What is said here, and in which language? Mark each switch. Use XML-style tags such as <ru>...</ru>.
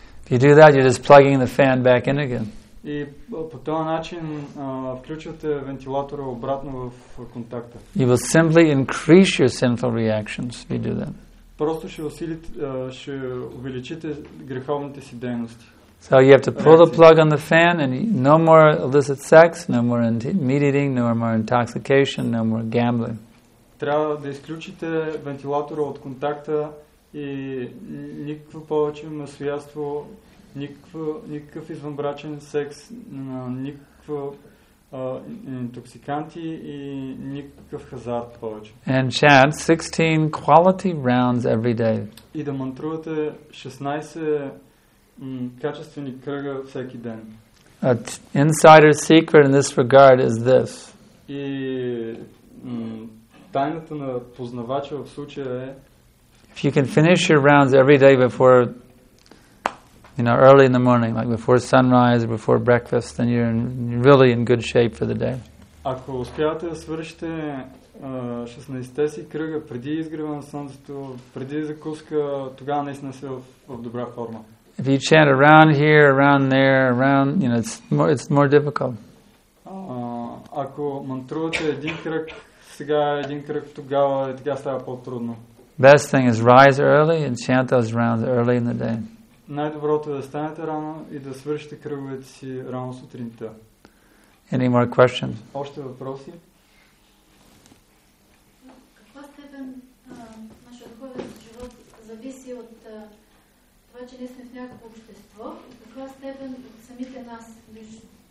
<en>If you do that, you're just plugging the fan back in again.</en> <bg>И по този начин включвате вентилатора обратно в контакта.</bg> <en>You will simply increase your sinful reactions if you do that.</en> <bg>Просто ще увеличите греховните си дейности.</bg> <en>So you have to pull the plug on the fan and no more illicit sex, no more meat eating, no more intoxication, no more gambling.</en> <bg>Трябва да изключите вентилатора от контакта и никакво повече масоядство, никакъв извънбрачен секс, никаква интоксиканти и никакъв хазарт повече.</bg> <en>And chant 16 quality rounds every day.</en> <bg>И да мантрувате 16 качествени кръга всеки ден.</bg> <en>A insider secret in this regard is this.</en> <bg>И тайната на познавача в случая е,</bg> <en>if you can finish your rounds every day before, you know, early in the morning, like before sunrise or before breakfast, then you're really in good shape for the day.</en> <bg>Ако успявате да свършите 16-те си кръга преди изгрева на слънцето, преди закуска, тогава наистина сте в добра форма.</bg> <en>If you chant around here, around there, around, you know, it's more difficult.</en> <bg>Ако мантрувате един кръг сега, един кръг тогава, така става по-трудно.</bg> <en>Best thing is rise early and chant those rounds early in the day.</en> <bg>Най-доброто е да станете рано и да свършите кръговете си рано сутринта.</bg> <en>Any more questions?</en> <bg>Още въпроси? Каква степен нашия духовен живот зависи от това, че ние сме в някакво общество и каква степен от самите нас лично?</bg>